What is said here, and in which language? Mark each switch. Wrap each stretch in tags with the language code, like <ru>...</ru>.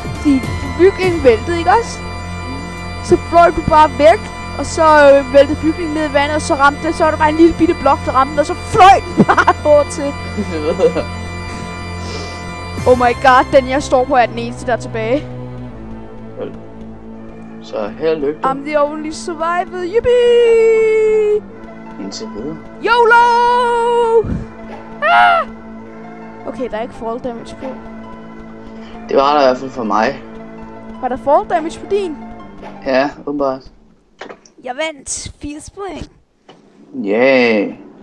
<da>De bygningen væltede, ikke også? Så fløj du bare væk, og så væltede bygningen ned i vandet, og så ramte det. Så var der bare en lille bitte blok, der ramte den, og så fløj den bare over til.</da> <en>Oh my god,</en> <da>den jeg står på er den eneste, der er tilbage. Så her lykke.</da> <en>I'm the only survivor, yippee!</en> <da>Indtil videre.</da> <en>YOLO!</en> <da>Okay, der er ikke fall damage på. Det var der i hvert fald for mig. Var der fall damage på din? Ja, åbenbart. Jeg vandt 4 spring.</da> <en>Yeah.</en>